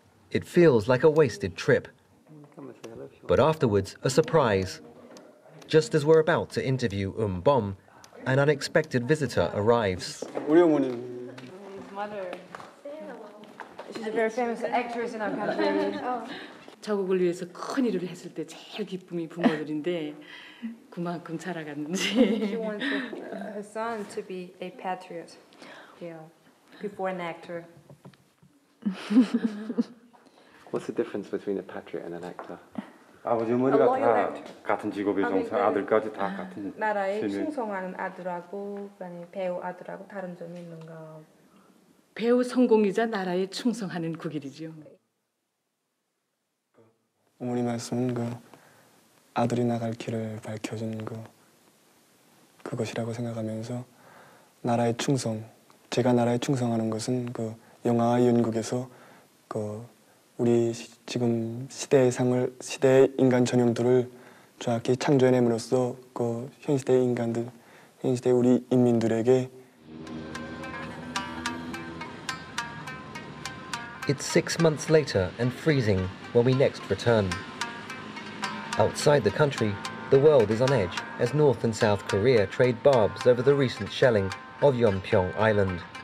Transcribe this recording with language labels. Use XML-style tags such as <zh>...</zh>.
<en>It feels like a wasted trip. But afterwards, a surprise. Just as we're about to interview Bom, an unexpected visitor arrives. Your mother. She's a very famous actress in our country.</en> <ko>자국을 위해서 큰 일을 했을 때 제일 기쁨이 부모들인데 그만큼 자라갔는지.</ko> <en>She wants her son to be a patriot. Yeah. Before an actor. What's the difference between a patriot and an actor?</en> <ko>아버지 어머니가 다 actor. 같은 직업의 종사 아들까지 다 같은 나라에 충성하는 아들하고 아니 배우 아들하고 다른 점이 있는가? 배우 성공이자 나라에 충성하는 그 길이죠. 어머니 말씀은 그 아들이 나갈 길을 밝혀준 그 그것이라고 생각하면서 나라의 충성, 제가 나라에 충성하는 것은 그 영화와 연극에서 그 우리 지금 시대의 상을 시대의 인간 전형들을 정확히 창조해냄으로써 그 현 시대의 인간들, 현 시대의 우리 인민들에게.</ko> <en>It's 6 months later and freezing when we next return. Outside the country, the world is on edge as North and South Korea trade barbs over the recent shelling of Yeonpyeong Island.</en>